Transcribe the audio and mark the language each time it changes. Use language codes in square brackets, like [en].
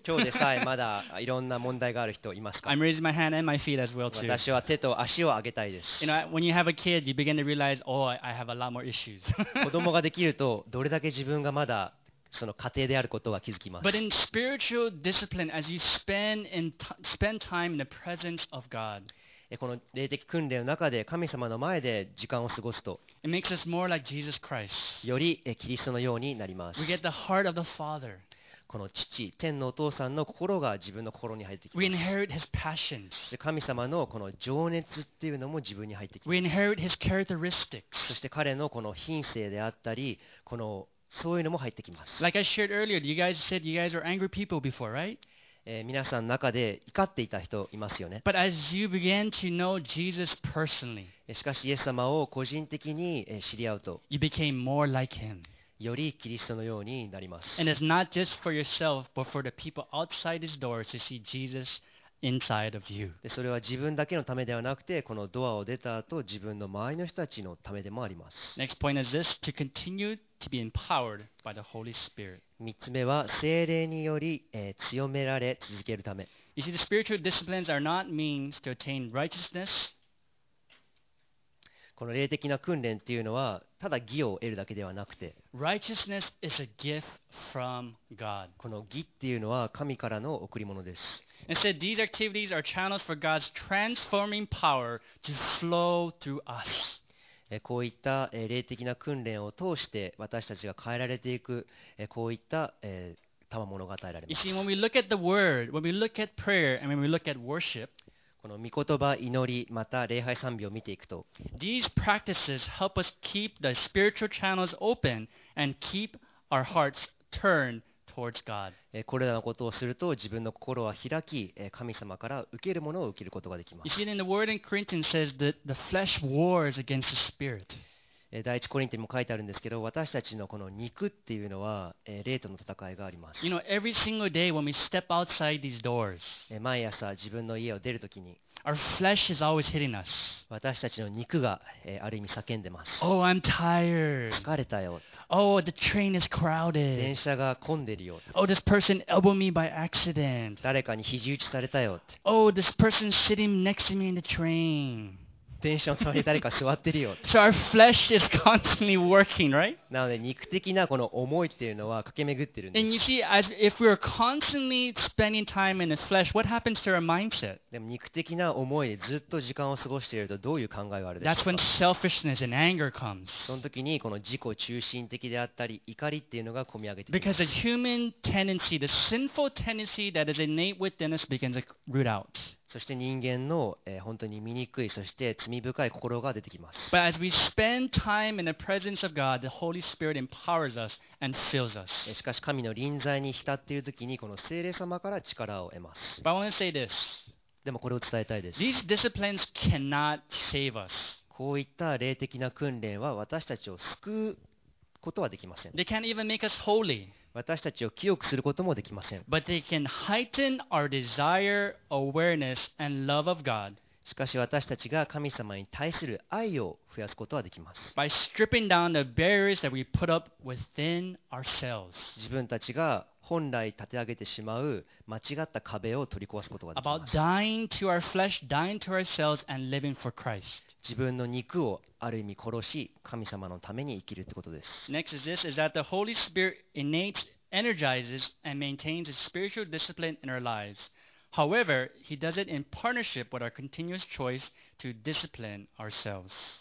[ja] 今日でさえまだいろんな問題がある人いますか。 [en] I'm raising my hand and my feet as well too. [ja] 私は手と足を上げたいです。 [en] You know, when you have a kid, you begin to realize, oh, I have a lot more issues. [ja] 子供ができるとどれだけ自分がまだその過程であることが気づきます。 [en] But in spiritual discipline, as you spend time in the presence of God, [ja] この霊的訓練の中で神様の前で時間を過ごすと [en] it makes us more like Jesus Christ. [ja] よりキリストのようになります。 [en] We get the heart of the Father. [ja] この父、天のお父さんの心が自分の心に入ってきます。 [en] We inherit his passions. [ja] 神様のこの情熱っていうのも自分に入ってきます。 [en] We inherit his characteristics. [ja] そして彼のこの品性であったりこのそういうのも入ってきます。 [en] Like I shared earlier, you guys said you guys were angry people before, right? [ja] 皆さんの中で怒っていた人いますよね。 [en] But as you began to know Jesus personally, [ja] しかしイエス様を個人的に知り合うと、 [en] you became more like him. [ja] よりキリストのようになります。 [en] And it's not just for yourself, but for the people outside his door to see Jesus inside of you. [ja] で、それは自分だけのためではなくて、このドアを出た後、自分の周りの人たちのためでもあります。 [en] Next point is this, to continue. To be empowered by the Holy Spirit. [ja] 3つ目は聖霊により、強められ続けるため。 [en] You see, the spiritual disciplines are not means to attain righteousness. [ja] この霊的な訓練っていうのはただ義を得るだけではなくて、 [en] righteousness is a gift from God. [ja] この義っていうのは神からの贈り物です。 [en] Instead, these activities are channels for God's transforming power to flow through us. [ja] こういった霊的な訓練を通して私たちが変えられていくこういった賜物が与えられます。 [en] You see, when we look at the word, when we look at prayer, and when we look at worship, [ja] この御言葉、祈り、また礼拝賛美を見ていくと、 [en] These practices help us keep the spiritual channels open and keep our hearts turned towards God. [ja] これらのことをすると自分の心は開き、神様から受けるものを受けることができます。 [en] You see, in the word in Corinthians says that the flesh wars against the spirit. [ja] 第一コリントにも書いてあるんですけど、私たちのこの肉っていうのは霊との戦いがあります。 [en] You know, every single day when we step outside these doors, [ja] 毎朝自分の家を出るときに、 [en] our flesh is always hitting us. [ja] 私たちの肉がある意味叫んでます。 [en] Oh, I'm tired. [ja] 疲れたよ。 [en] Oh, the train is crowded. [ja] 電車が混んでるよ。 [en] Oh, this person elbowed me by accident. [ja] 誰かに肘打ちされたよ。 [en] Oh, this person sitting next to me in the train. [ja] 電車の隣に誰か座ってるよ。 [en] So our flesh is constantly working, right? [ja] なので肉的なこの思いっていうのは駆け巡ってるんです。 [en] And you see, as if we're constantly spending time in the flesh, what happens to our mindset? [ja] でも肉的な思いでずっと時間を過ごしているとどういう考えがあるでしょうか。 [en] That's when selfishness and anger comes. [ja] その時にこの自己中心的であったり怒りっていうのが込み上げてきます。 [en] Because the human tendency, the sinful tendency that is innate within us begins to root out. [ja] そして人間の、本当に醜いそして罪深い心が出てきます。 [en] But as we spend time in the presence of God, the Holy Spirit empowers us and fills us. [ja] しかし神の臨在に浸っている時にこの聖霊様から力を得ます。 [en] But I want to say this. [ja] でもこれを伝えたいです。 [en] These disciplines cannot save us. [ja] こういった霊的な訓練は私たちを救うことはできません。 [en] They can't even make us holy. [ja] 私たちを清くすることもできません。 [en] But they can heighten our desire, awareness, and love of God. [ja] しかし私たちが神様に対する愛を増やすことはできます。 [en] By stripping down the barriers that we put up within ourselves. [ja] 自分たちが本来立て上げてしまう間違った壁を取り壊すことができます。 [en] About dying to our flesh, dying to ourselves, and living for Christ. [ja] 自分の肉をある意味殺し、神様のために生きるってことです。 [en] Next is this, is that the Holy Spirit innates, energizes, and maintains a spiritual discipline in our lives. However, He does it in partnership with our continuous choice to discipline ourselves.